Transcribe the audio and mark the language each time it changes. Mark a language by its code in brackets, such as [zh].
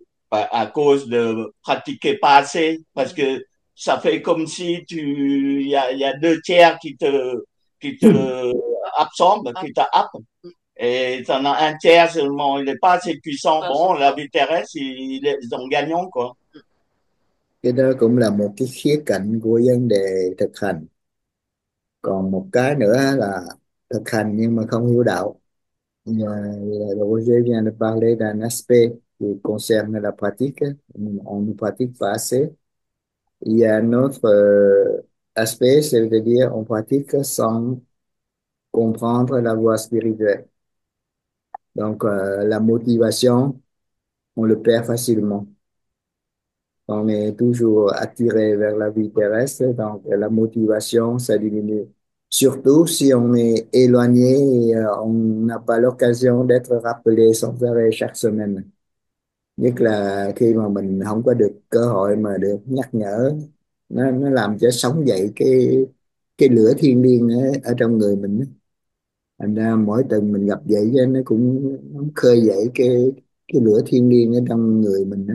[fr] À cause de pratiquer pas assez, parce que ça fait comme si il y a deux tiers qui te absorbe, qui t'happe, et t'en as un tiers seulement, il n'est pas assez puissant. Bon, la vie terrestre, il est en gagnant, quoi. [vi] Cái đó cũng là một cái khía cạnh của vấn đề thực hành. Còn một cái nữa là thực hành nhưng mà không hiểu đạo. [fr] Roger vient de parler d'un aspect qui concerne la pratique. On ne pratique pas assez. Il y a un autre aspect, c'est-à-dire on pratique sans comprendre la voie spirituelle. Donc, la motivation, on le perd facilement. On est toujours attiré vers la vie terrestre, donc la motivation, ça diminue. Surtout si on est éloigné et on n'a pas l'occasion d'être rappelé sans arrêt chaque semaine. [vi] Nhất là khi mà mình không có được cơ hội mà được nhắc nhở, nó làm cho sống dậy cái lửa thiêng liêng ở trong người mình. Thành ra mỗi tuần mình gặp vậy nó cũng khơi dậy cái lửa thiêng liêng ở trong người mình.